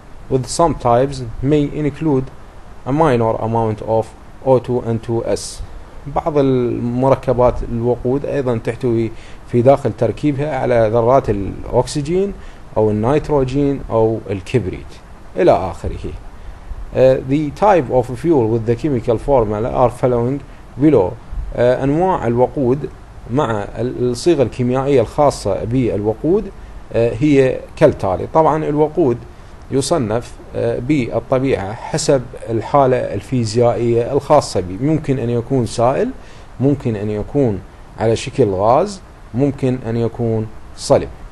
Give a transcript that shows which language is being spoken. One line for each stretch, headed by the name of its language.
English: With some types may include a minor amount of O2 and 2S.
Arabic: بعض المركبات الوقود أيضا تحتوي في داخل تركيبها على ذرات الأكسجين أو النيتروجين أو الكبريت إلى آخره.
English: The type of fuel with the chemical formula are following below.
Arabic: أنواع الوقود مع الصيغة الكيميائية الخاصة بالوقود هي كالتالي. طبعا الوقود يصنف بالطبيعة حسب الحالة الفيزيائية الخاصة به. ممكن أن يكون سائل، ممكن أن يكون على شكل غاز، ممكن أن يكون صلب.